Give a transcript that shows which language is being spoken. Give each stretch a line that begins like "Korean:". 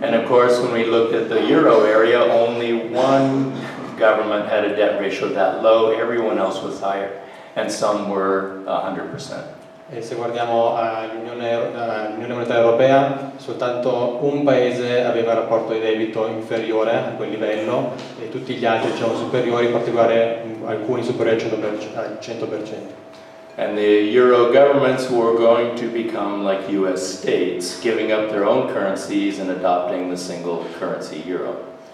English: And of course, when we looked at the euro area, only one government had a debt ratio that low, everyone else was higher, and some were 100%.
Italian: E se guardiamo all'Unione Monetaria Europea, soltanto un paese aveva un rapporto di debito inferiore a quel livello e tutti gli altri erano superiori, in particolare alcuni superiori al 100%.
English: And the Euro governments were going to become like US states, giving up their own currencies and adopting the single currency Euro.